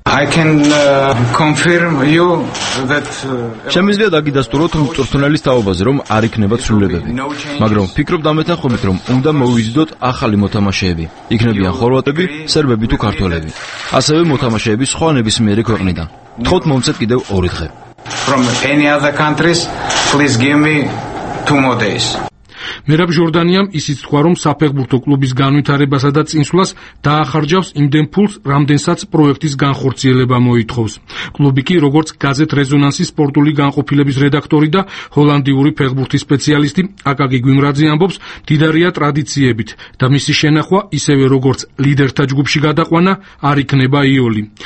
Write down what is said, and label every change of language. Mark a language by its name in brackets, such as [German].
[English] I can confirm you that [Georgian] შემიძლია დაგიდასტუროთ მწვრთნელის თაობაზე, რომ არ იქნება ცვლილებები. მაგრამ ფიქრობ დამეთანხმებით, რომ უნდა მოვიზიდოთ ახალი მოთამაშეები. იქნებიან ხორვატები, სერბები თუ ქართველები. ასევე მოთამაშეები სხვა ნებისმიერ ქვეყნიდან. თხოვთ მომცეთ კიდევ ორი დღე. [English] From any other countries, please give me 2 more days. [Georgian] Мераб Жорданиам ისიც თქვა, რომ საფეხბურთო კლუბის განვითარებასა და წინსვლას დაახარჯავს იმდენ ფულს, რამდენსაც პროექტის განხორციელება მოითხოვს. კლუბი კი, როგორც გაზეთ რეზონანსის სპორტული განყოფილების რედაქტორი და ჰოლანდიური ფეხბურთის სპეციალისტი აკაგი გვიმრაძე ამბობს, მდიდარია ტრადიციებით და მისი შენახვა, ისევე როგორც ლიდერთა ჯგუფში გადაყვანა, არ იქნება იოლი.